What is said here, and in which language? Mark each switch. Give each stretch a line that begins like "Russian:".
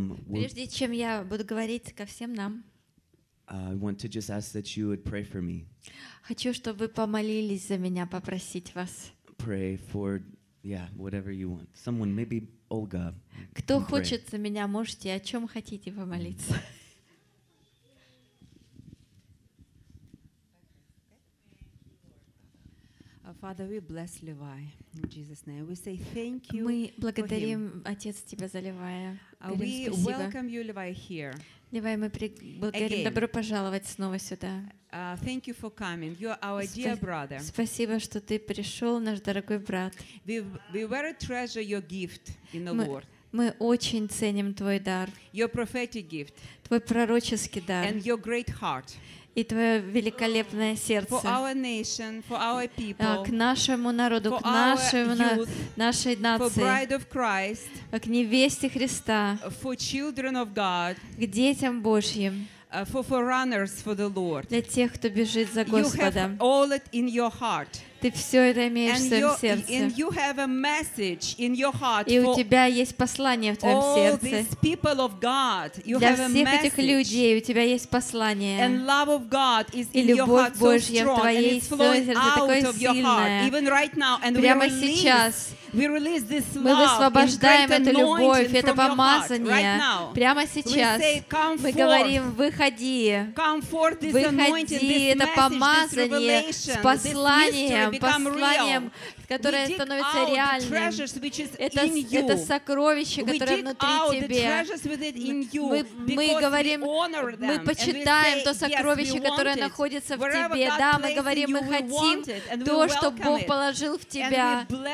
Russian: прежде чем я буду говорить ко всем нам,
English: I want to just ask that you would pray for me.
Russian: Хочу, чтобы вы помолились за меня, попросить вас.
English: Pray for, yeah, whatever you want. Someone, maybe Olga.
Russian: Кто хочет за меня, можете о чем хотите помолиться.
English: Father, we bless Levi in Jesus' name. We say thank you.
Russian: Мы благодарим Отец тебя за Левая.
English: We welcome you, Levi, here.
Russian: Левай, мы благодарим. Добро пожаловать снова сюда.
English: Thank you for coming. You are our dear brother.
Russian: Спасибо, что ты пришел, наш дорогой брат.
English: We very treasure your gift in the Lord.
Russian: Мы очень ценим твой дар.
English: Your prophetic gift.
Russian: Твой пророческий дар.
English: And your great heart.
Russian: И твое великолепное сердце.
English: For our nation, for our people,
Russian: к нашему народу, к нашему, нашей нации,
English: for bride of Christ,
Russian: к невесте Христа,
English: for children of God,
Russian: к детям Божьим,
English: for forerunners for the Lord.
Russian: Для тех, кто бежит за Господом.
English: You have all it in your heart.
Russian: Ты все это имеешь в своем сердце.
English: And you have a message in your heart.
Russian: И у тебя есть послание в твоем сердце.
English: All these people of God, you have a message.
Russian: Для всех этих людей у тебя есть послание.
English: And love of God is in your heart so strong. And it's flowing out of your heart, even right now, and we release.
Russian: Прямо сейчас.
English: We release this love and great anointing from your heart right now.
Russian: Прямо сейчас.
English: We say, come forth.
Russian: Мы говорим, выходи.
English: Come forth this anointing, this message, this revelation, this mystery become
Russian: посланием,
English: real.
Russian: Которое становится реальным. Это сокровище, которое внутри тебе. Мы говорим, мы почитаем то сокровище, которое находится в тебе. Да, мы говорим, мы хотим то, что Бог положил в тебя.